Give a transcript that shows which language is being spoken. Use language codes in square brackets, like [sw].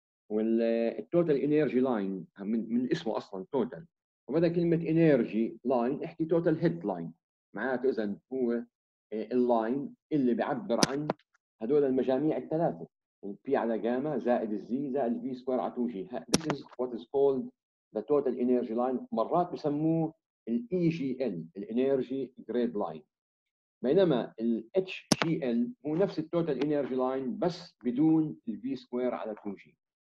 [ar] والتوتال إنرجي لاين من اسمه أصلا توتال، وبدأ كلمة إنرجي لاين احكي توتال هيد لاين، معناته إذن هو اللاين اللي بيعبر عن هدول المجاميع الثلاثة، البي على جاما زائد الزي زائد البي سكوير على 2 جي. [en] This is what is called the total energy line. [ar] مرات بسموه الـ EGL الـ Energy Grade Line، بينما الـ HGL هو نفس الـ Total Energy Line بس بدون الـ V سكوير على 2 جي.